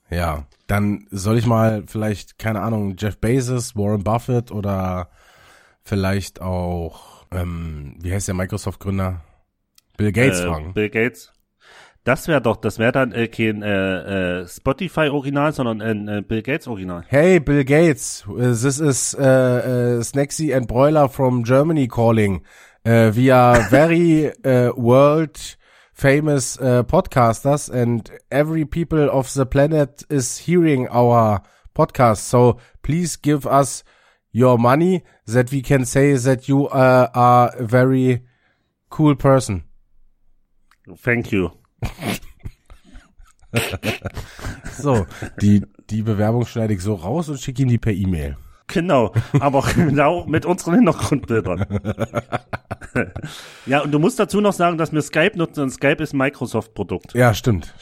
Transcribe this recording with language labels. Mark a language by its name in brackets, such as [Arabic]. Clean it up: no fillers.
[German] Ja, dann soll ich mal vielleicht, keine Ahnung, Jeff Bezos, Warren Buffett oder vielleicht auch, wie heißt der Microsoft-Gründer? Bill Gates fragen. Bill Gates. Das wäre dann kein Spotify-Original, sondern ein Bill Gates-Original. [English] Hey, Bill Gates, this is Snacksy and Broiler from Germany calling. We are very world famous podcasters and every people of the planet is hearing our podcast. So please give us your money that we can say that you are a very cool person. Thank you. [German] So, die Bewerbung schneide ich so raus und schicke ihm die per E-Mail. Genau, aber genau mit unseren Hintergrundbildern. Ja, und du musst dazu noch sagen, dass wir Skype nutzen und Skype ist ein Microsoft-Produkt. Ja, stimmt.